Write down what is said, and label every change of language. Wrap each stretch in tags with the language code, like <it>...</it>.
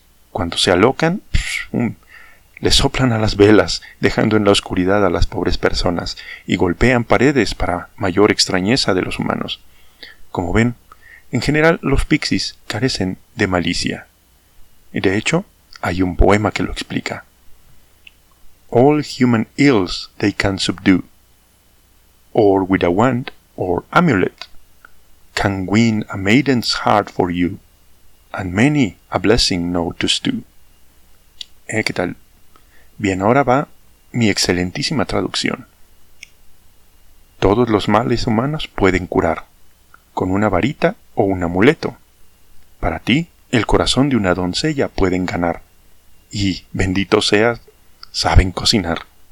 <es>Cuando se alocan, les soplan a las velas, dejando en la oscuridad a las pobres personas, y golpean paredes para mayor extrañeza de los humanos. Como ven, en general los pixies carecen de malicia. De hecho, hay un poema que lo explica.</es> <en>All human ills they can subdue, or with a wand or amulet, can win a maiden's heart for you, and many a blessing know to stew.</en> <es>¿Qué tal? Bien, ahora va mi excelentísima traducción. Todos los males humanos pueden curar, con una varita o un amuleto. Para ti, el corazón de una doncella pueden ganar, y, bendito seas, saben cocinar.</es>